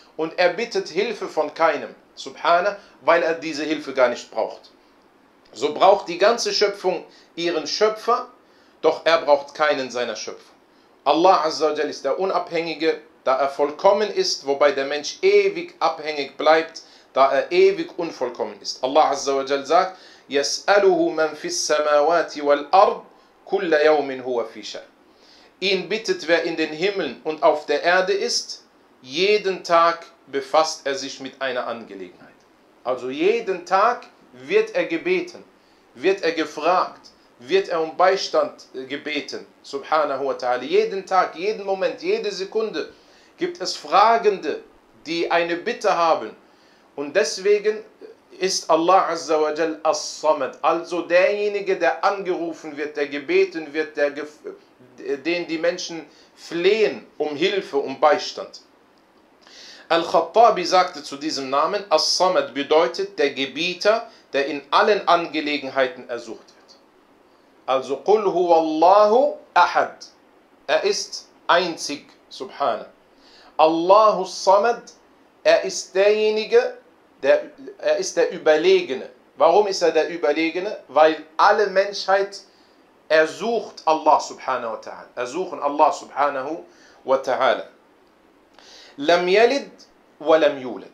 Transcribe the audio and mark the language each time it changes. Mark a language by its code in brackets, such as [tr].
[de] Und er bittet Hilfe von keinem, subhanahu, weil er diese Hilfe gar nicht braucht. So braucht die ganze Schöpfung ihren Schöpfer, doch er braucht keinen seiner Schöpfung. Allah Azza wa Jalla ist der Unabhängige, da er vollkommen ist, wobei der Mensch ewig abhängig bleibt, da er ewig unvollkommen ist. Allah Azza wa Jalla sagt, [ar] يَسْأَلُهُ مَنْ فِي السَّمَاوَاتِ وَالْأَرْضِ كُلَّ يَوْمٍ هُوَ فِي شَأْنٍ. [de] Ihn bittet, wer in den Himmeln und auf der Erde ist, jeden Tag befasst er sich mit einer Angelegenheit. Also jeden Tag wird er gebeten, wird er gefragt, wird er um Beistand gebeten, subhanahu wa ta'ala. Jeden Tag, jeden Moment, jede Sekunde gibt es Fragende, die eine Bitte haben. Und deswegen ist Allah Azza wa Jal as-Samad, also derjenige, der angerufen wird, der gebeten wird, den die Menschen flehen um Hilfe, um Beistand. Al-Khattabi sagte zu diesem Namen, as-Samad bedeutet der Gebieter, der in allen Angelegenheiten ersucht. Also, [ar] قُلْ هُوَ اللَّهُ أَحَدْ. [de] Er ist einzig, Subhana. Allahu Samad, er ist derjenige, er ist der Überlegene. Warum ist er der Überlegene? Weil alle Menschheit ersucht Allah Subhanahu wa Ta'ala. Ersuchen Allah Subhanahu wa Ta'ala. [ar] لَمْ يَلِدْ وَلَمْ يُولَدْ.